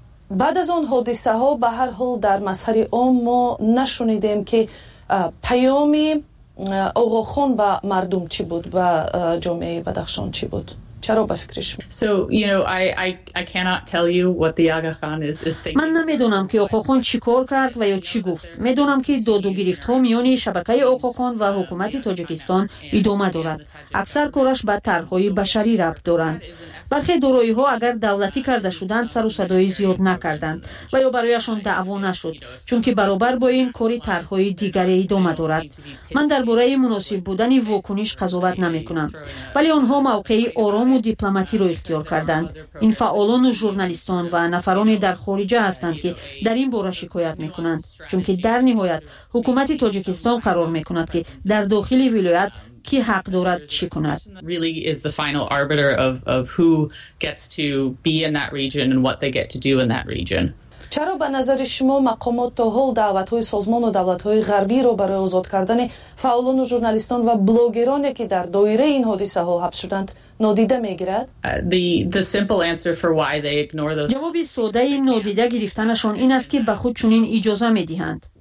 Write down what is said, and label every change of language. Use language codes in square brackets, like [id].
[fa] بعد از آن حادثه ها به هر حال در مظهر عام ما نشنیدیم که پیام آقاخان به مردم چی بود، به جامعه بدخشان چی بود؟ چرا به فکرش؟ [en] So you know I cannot tell you what the Aga Khan is thinking. [fa] من نمیدونم که آقاخان چیکار کرد و یا چی گفت. میدونم که دادو گرفت ها میان شبکه آقاخان و حکومت تاجیکستان ادامه دارد. اکثر کارش با طرحهای بشری ربط دارند. برخی دارایی ها اگر دولتی کرده شدند سر و صدای زیاد نکردند و یا برایشان دعوا نشد، چون که برابر با این کاری طرحهای دیگری ادامه دارد. من درباره مناسب بودن واکنش قضاوت نمی کنم، ولی آنها موقعی آرام و دیپلماتی را اختیار کردند. این فعالان و ژورنالیستان و نفران در خارجه هستند که در این باره شکایت می کنند، چون که در نهایت حکومت تاجیکستان قرار می کند که در داخل ولایت کی حق دارد چی کند. [en] Really is the final arbiter of who gets to be in that region and what they get to do in that region. [fa] چرا به نظر شما مقامات تا حال دعوت های سازمان و دولت های غربی را برای آزاد کردن فعالان و ژورنالیستان و بلاگرانی که در دایره این حادثه ها حبس شدند نادیده می گیرد؟ جواب ساده این نادیده گرفتنشان این است که به خود چنین اجازه می دهند.